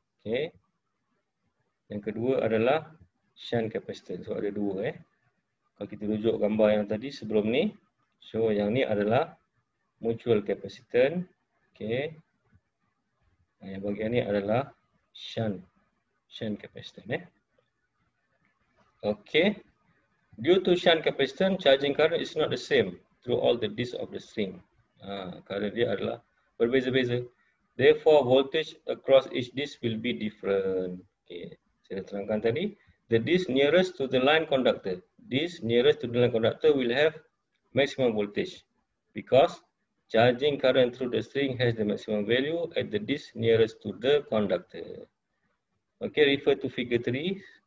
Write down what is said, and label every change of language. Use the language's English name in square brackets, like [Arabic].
[Malay] Okay, yang kedua adalah shunt capacitance. So ada dua. Kalau kita rujuk gambar yang tadi sebelum ni, so yang ni adalah mutual capacitance. Okay, yang bagian ni adalah shunt capacitance. [English] Okay, due to shunt capacitance, charging current is not the same through all the discs of the string. [Malay] Current dia adalah berbeza-beza. [English] Therefore, voltage across each disc will be different. Okay, [Malay] saya dah terangkan tadi, [English] the disc nearest to the line conductor, disc nearest to the line conductor will have maximum voltage because charging current through the string has the maximum value at the disc nearest to the conductor. Okay, refer to figure 3.